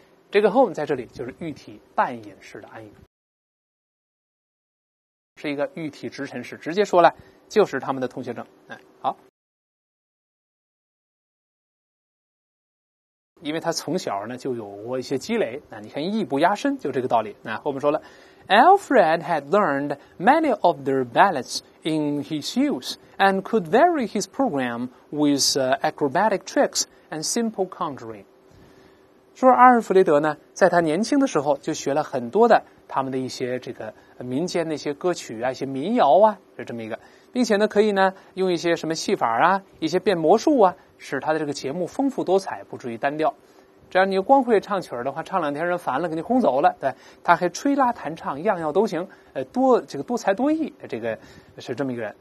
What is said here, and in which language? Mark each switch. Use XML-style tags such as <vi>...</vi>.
<zh>这个 home 在这里就是喻体半隐式的暗喻，是一个喻体直陈式，直接说了就是他们的通学证。好，因为他从小呢就有过一些积累，那你看艺不压身，就这个道理。那后面说了，</zh> <en>Alfred had learned many of their ballads in his youth and could vary his program with acrobatic tricks and simple conjuring.</en> <zh>说阿尔弗雷德呢，在他年轻的时候就学了很多的他们的一些这个民间那些歌曲啊，一些民谣啊，是这么一个，并且呢可以呢用一些什么戏法啊，一些变魔术啊，使他的这个节目丰富多彩，不至于单调。只要你光会唱曲的话，唱两天人烦了给你轰走了，对，他还吹拉弹唱样样都行，多这个多才多艺，这个是这么一个人。</zh>